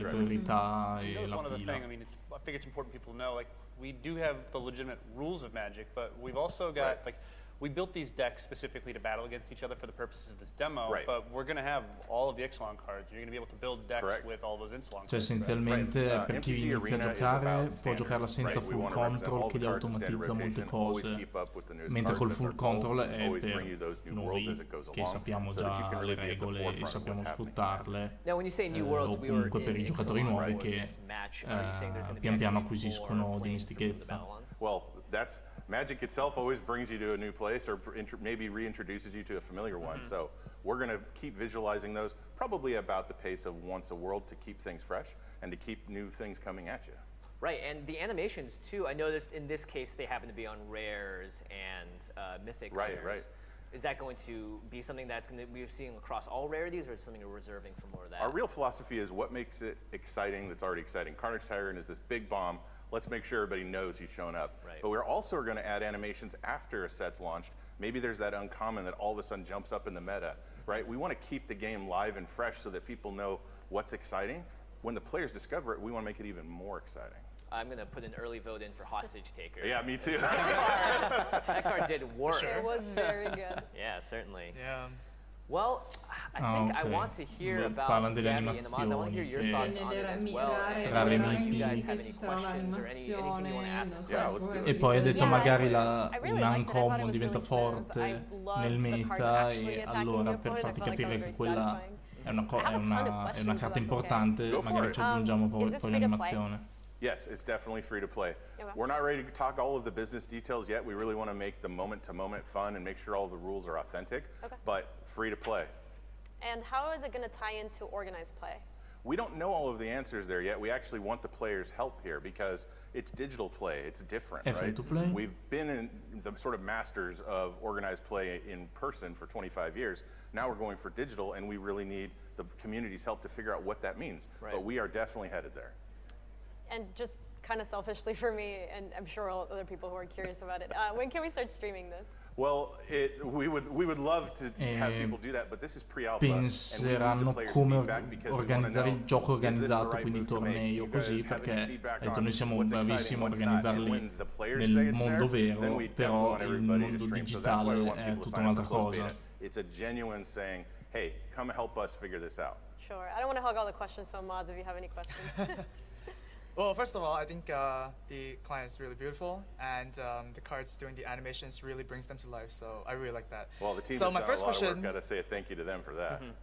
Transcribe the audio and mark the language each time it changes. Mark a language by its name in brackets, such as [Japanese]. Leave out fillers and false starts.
[English] dragon. That was one other thing. I mean, I think it's important people know, like, we do have the legitimate rules of magic, but we've also got, like, we built these decks specifically to battle against each other for the purposes of this demo, but we're going to have all of the Ixalan cards. You're going to be able to build decks with all those Ixalan cards. [Italian] Cioè, essenzialmente, per chi inizia a giocare, può giocarla senza full control, che gli automatizza molte cose, mentre col full control è per noi, che sappiamo già le regole e sappiamo sfruttarle, o comunque per i giocatori nuovi che pian piano acquisiscono dimestichezza. [English] Well, that's... Magic itself always brings you to a new place or maybe reintroduces you to a familiar one. So we're going to keep visualizing those probably about the pace of once a world to keep things fresh and to keep new things coming at you. Right, and the animations too, I noticed in this case they happen to be on rares and mythic rares. Right. Is that going to be something that's going to be seeing across all rarities, or is it something you're reserving for more of that? Our real philosophy is what makes it exciting that's already exciting. Carnage Tyrant is this big bomb. Let's make sure everybody knows he's shown up. Right. But we're also going to add animations after a set's launched. Maybe there's that uncommon that all of a sudden jumps up in the meta, right? We want to keep the game live and fresh so that people know what's exciting. When the players discover it, we want to make it even more exciting. I'm going to put an early vote in for Hostage Taker. Yeah, me too. That card did work. It was very good. Yeah, certainly. Yeah. Well, I think I want to hear about Gabby and Amaz. I want to hear your thoughts on it as well. Rarimi. If you guys have any questions or anything you want to ask. Yeah, let's do it. [Italian] E poi ha detto magari l'uncommon diventa forte nel meta e allora per farti capire che quella è una carta importante, magari ci aggiungiamo poi l'animazione. [English] Yes, it's definitely free to play. Okay. We're not ready to talk all of the business details yet. We really want to make the moment-to-moment fun and make sure all the rules are authentic, but free to play. And how is it going to tie into organized play? We don't know all of the answers there yet. We actually want the players' help here because it's digital play. It's different, right? We've been in the sort of masters of organized play in person for 25 years. Now we're going for digital, and we really need the community's help to figure out what that means. Right. But we are definitely headed there. And just kind of selfishly for me, and I'm sure all other people who are curious about it, when can we start streaming this? Well, we would love to have people do that, but this is pre-alpha. [Italian] Penseranno come organizzare il gioco organizzato, quindi torneo così, perché noi siamo bravissimi a organizzarli nel mondo vero, però il mondo digitale è tutta un'altra cosa. [English] It's a genuine saying, hey, come help us figure this out. Sure, I don't want to hog all the questions, so Mods, if you have any questions. Well, first of all, I think the client is really beautiful, and the cards doing the animations really brings them to life, so I really like that. Well, the team has done a lot of work. Got to say a thank you to them for that.